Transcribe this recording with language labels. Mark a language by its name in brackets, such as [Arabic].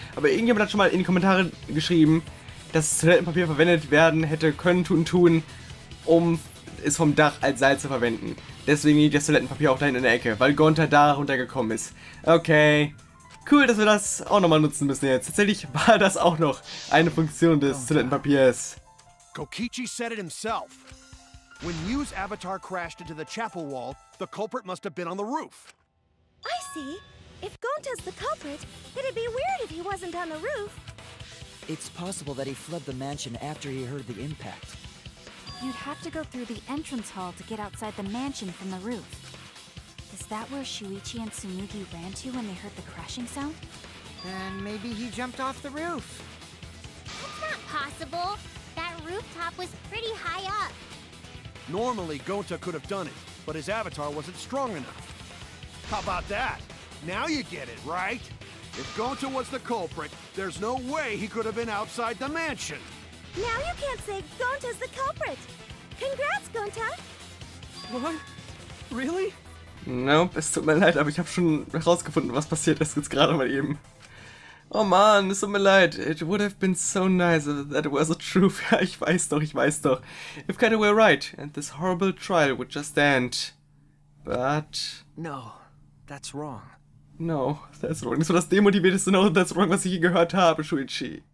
[German] Aber irgendjemand hat schon mal in die Kommentare geschrieben, dass Toilettenpapier verwendet werden hätte können tun, um es vom Dach als Seil zu verwenden. Deswegen liegt das Toilettenpapier auch da hinten in der Ecke, weil Gonta da runtergekommen ist. Okay. Cool, dass wir das auch nochmal nutzen müssen jetzt. Tatsächlich war das auch noch eine Funktion des Toilettenpapiers. [English] Kokichi said it himself. When Yu's avatar crashed into the chapel wall, the culprit must have been on the roof. I see. If Gonta's the culprit, it'd be weird if he wasn't on the roof. It's possible that he fled the mansion after he heard the impact. You'd have to go through the entrance hall to get outside the mansion from the roof. Is that where Shuichi and Tsumugi ran to when they heard the crashing sound? Then maybe he jumped off the roof. That's not possible. That rooftop was pretty high up. Normally, Gonta could have done it, but his avatar wasn't strong enough. How about that? Now you get it, right? If Gonta was the culprit, there's no way he could have been outside the mansion. Now you can't say Gonta's the culprit. Congrats, Gonta. What? Really? [German] Nope, es tut mir leid, aber ich habe schon herausgefunden, was passiert ist jetzt gerade mal eben. Oh man, es tut mir leid. [English] It would have been so nice if that were the truth. [German] Ja, ich weiß doch. [English] If Kaito were right, and this horrible trial would just end. But... No, that's wrong. [German] Das war das demotivierteste [English] No, that's wrong, [German] was ich hier gehört habe, Shuichi.